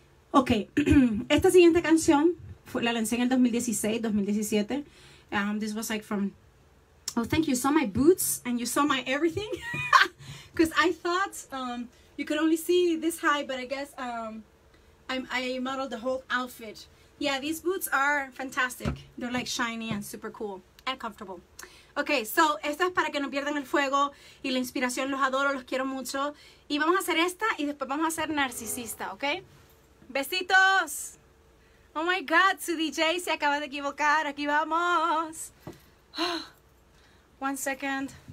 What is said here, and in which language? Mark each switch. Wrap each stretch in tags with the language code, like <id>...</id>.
<es>Ok, esta siguiente canción la lancé en el 2016, 2017.</es> <en>This was like from... Oh, thank you, you saw my boots and you saw my everything. Because I thought you could only see this high, but I guess I modeled the whole outfit. Yeah, these boots are fantastic. They're like shiny and super cool and comfortable. Okay, so</en> <es>esta es para que no pierdan el fuego y la inspiración. Los adoro, los quiero mucho. Y vamos a hacer esta y después vamos a hacer Narcisista, okay? Besitos.</es> <en>Oh my God,</en> <es>su DJ se acaba de equivocar. Aquí vamos.</es> <en>One second.</en>